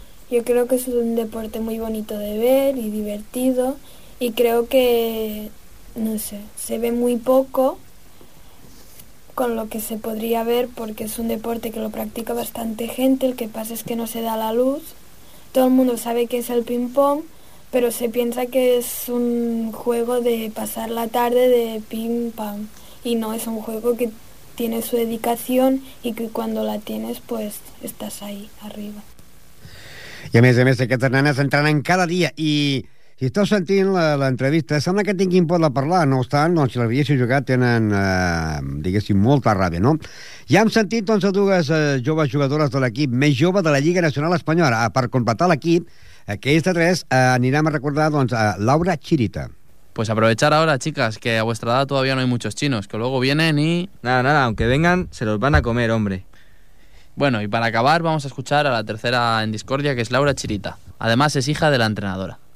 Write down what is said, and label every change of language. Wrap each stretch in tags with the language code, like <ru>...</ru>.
<es>Yo creo que es un deporte muy bonito de ver y divertido y creo que, no sé, se ve muy poco con lo que se podría ver porque es un deporte que lo practica bastante gente, el que pasa es que no se da la luz. Todo el mundo sabe que es el ping-pong, pero se piensa que es un juego de pasar la tarde de ping-pong y no, es un juego que tiene su dedicación y que cuando la tienes pues estás ahí arriba.</es> <ca>I a més, aquestes nenes entrenen cada dia. I si esteu sentint l'entrevista, sembla que tinguin por de parlar. No obstant, doncs, si les haguessin jugat, tenen, diguéssim, molta ràbia, no? Ja hem sentit, doncs, dues joves jugadores de l'equip més jove de la Lliga Nacional Espanyola. Per completar l'equip, aquesta tres, anirem a recordar, doncs, a Laura Chirita.</ca> <es>Pues aprovechar ahora, chicas, que a vuestra edad todavía no hay muchos chinos, que luego vienen y... Nada, nada, aunque vengan, se los van a comer, hombre. Bueno, y para acabar vamos a escuchar a la tercera en discordia, que es Laura Chirita. Además es hija de la entrenadora.</es>